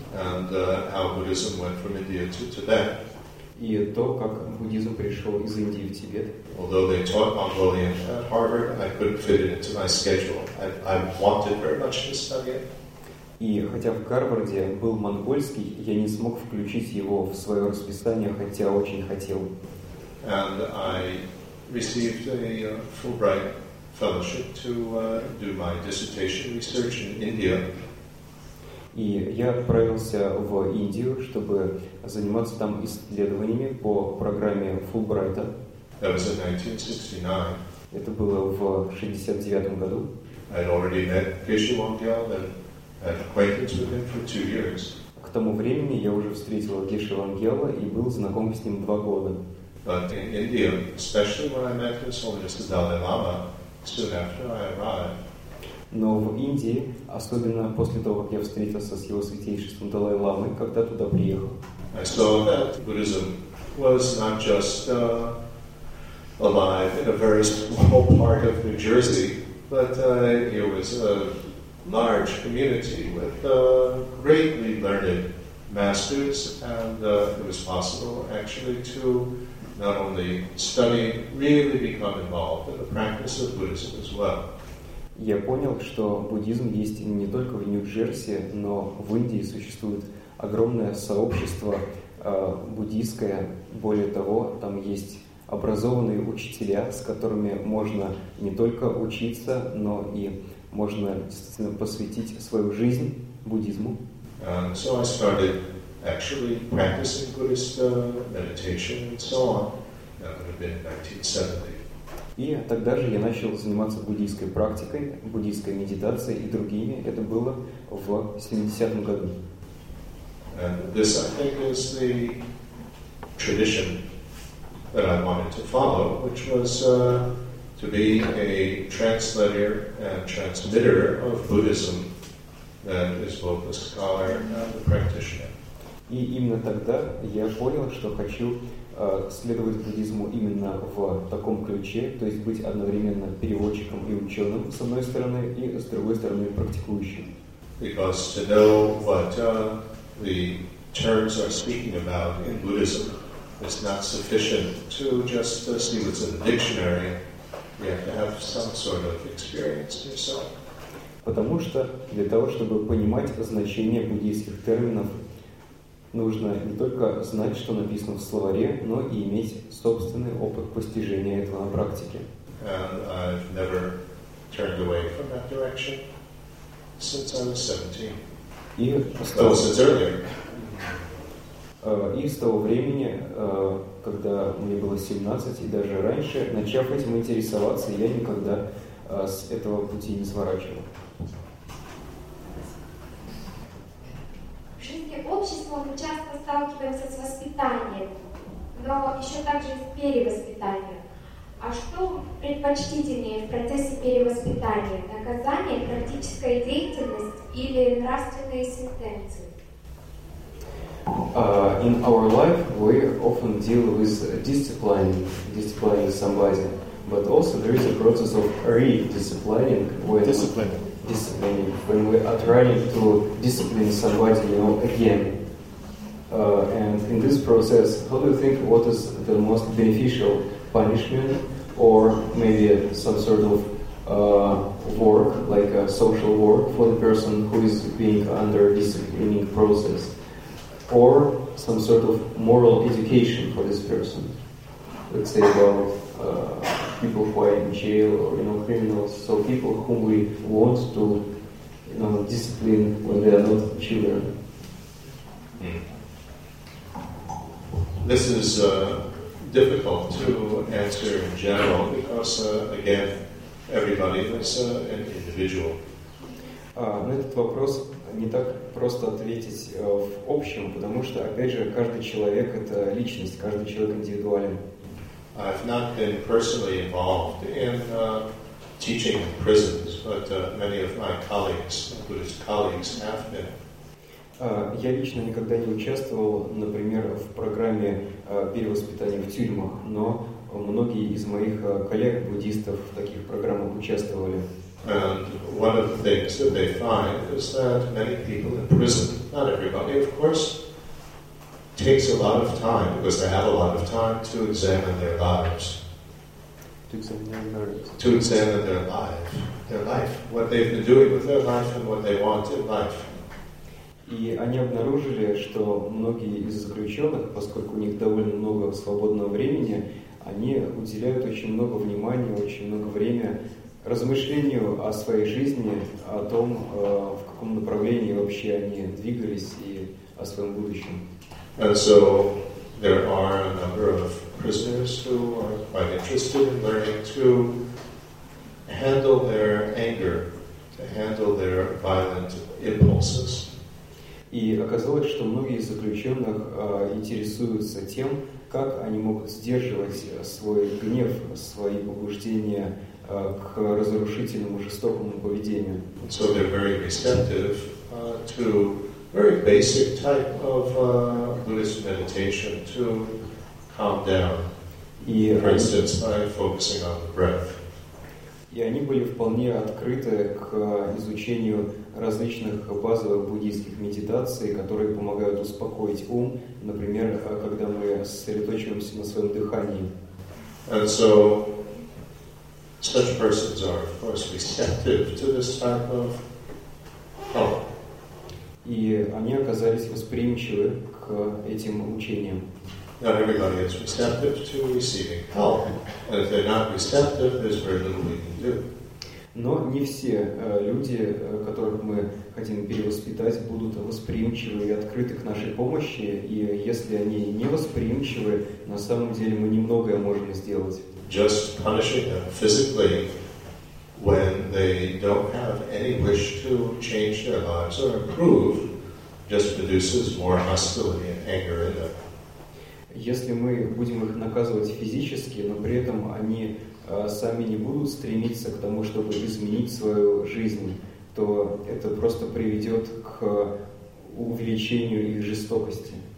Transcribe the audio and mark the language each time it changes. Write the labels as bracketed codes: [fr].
[en] And how Buddhism went from India to Tibet. [ru] И то, как буддизм пришел из Индии в Тибет. [en] Although they taught Mongolian at Harvard, I couldn't fit it into my schedule. I wanted very much to study it. [ru] И хотя в Гарварде был монгольский, я не смог включить его в свое расписание, хотя очень хотел. [en] And I received a Fulbright fellowship to do my dissertation research in India. [ru] И я отправился в Индию, чтобы заниматься там исследованиями по программе Фулбрайта. [en] That was in 1969. [ru] Это было в 69 году. [en] I had already met Geshe-Wangyal and had acquaintance with him for 2 years. [ru] К тому времени я уже встретил Геше-Вангела и был знаком с ним 2 года. [en] But in India, especially when I met His Holiness the Dalai Lama, soon after I arrived. [ru] Но в Индии, особенно после того, как я встретился с Его Святейшеством Далай Ламой, когда туда приехал. [en] I saw that Buddhism was not just alive in a very small part of New Jersey, but it was a large community with greatly learned masters, and it was possible actually to not only study, really become involved in the practice of Buddhism as well. [ru] Я понял, что буддизм есть не только в Нью-Джерси, но в Индии существует огромное сообщество буддийское. Более того, там есть образованные учителя, с которыми можно не только учиться, но и можно действительно посвятить свою жизнь буддизму. [en] So I started actually practicing Buddhist meditation and so on. That would have been 1970. [ru] И тогда же я начал заниматься буддийской практикой, буддийской медитацией и другими. Это было в 70-м году. [en] And this, I think, is the tradition that I wanted to follow, which was to be a translator and transmitter of Buddhism, that is both a scholar and a practitioner. [ru] И именно тогда я понял, что хочу следовать буддизму именно в таком ключе, то есть быть одновременно переводчиком и ученым, с одной стороны, и с другой стороны, практикующим. [en] Because to know what the terms are speaking about in Buddhism is not sufficient to just see what's in the dictionary. You have to have some sort of experience yourself. [ru] Потому что для того, чтобы понимать значение буддийских терминов, нужно не только знать, что написано в словаре, но и иметь собственный опыт постижения этого на практике. [en] And I've never turned away from that direction since I was 17. [ru] И [en] since earlier. [ru] И с того времени, когда мне было 17, и даже раньше, начав этим интересоваться, я никогда с этого пути не сворачивал. В жизни общества мы часто сталкиваемся с воспитанием, но еще также с перевоспитанием. А что предпочтительнее в процессе перевоспитания? Наказание, практическая деятельность или нравственные сентенции? [en] In our life, we often deal with disciplining somebody, but also there is a process of re-disciplining when we are trying to discipline somebody, you know, again. And in this process, how do you think what is the most beneficial punishment or maybe some sort of work, like a social work for the person who is being under disciplining process? Or some sort of moral education for this person. Let's say about people who are in jail or, you know, criminals. So people whom we want to, you know, discipline when they are not children. This is difficult to answer in general because, again, everybody is an individual. [ru] На этот вопрос не так просто ответить в общем, потому что, опять же, каждый человек – это личность, каждый человек индивидуален. [en] I've not been personally involved in teaching in prisons, but many of my colleagues, Buddhist colleagues, have been. [ru] Я лично никогда не участвовал, например, в программе перевоспитания в тюрьмах, но многие из моих коллег-буддистов в таких программах участвовали. [en] And one of the things that they find is that many people in prison, not everybody, of course, takes a lot of time, because they have a lot of time, to examine their lives. To examine their lives. Their life, what they've been doing with their life and what they want in life. [ru] И они обнаружили, что многие из заключенных, поскольку у них довольно много свободного времени, они уделяют очень много внимания, очень много времени размышлению о своей жизни, о том, в каком направлении вообще они двигались и о своем будущем. [en] And so there are a number of prisoners who are quite interested in learning to handle their anger, to handle their violent impulses. [ru] И оказалось, что многие из заключенных интересуются тем, как они могут сдерживать свой гнев, свои побуждения к разрушительному, жестокому поведению. [en] So they're very receptive to very basic type of Buddhist meditation to calm down. For instance, by focusing on the breath. [ru] И они были вполне открыты к изучению различных базовых буддийских медитаций, которые помогают успокоить ум, например, когда мы сосредоточиваемся на своем дыхании. [en] And so such persons are, of course, receptive to this type of help. [ru] И они оказались восприимчивы к этим учениям. [en] Not everybody is receptive to receiving help. And if they're not receptive, there's very little we can do. [ru] Но не все люди, которых мы хотим перевоспитать, будут восприимчивы и открыты к нашей помощи. И если они не восприимчивы, на самом деле мы немногое можем сделать. [en] Just punishing them physically when they don't have any wish to change their lives or improve just produces more hostility and anger in them. [ru] Если мы будем их наказывать физически, но при этом они сами не будут стремиться к тому, чтобы изменить свою жизнь, то это просто приведет к увеличению их жестокости.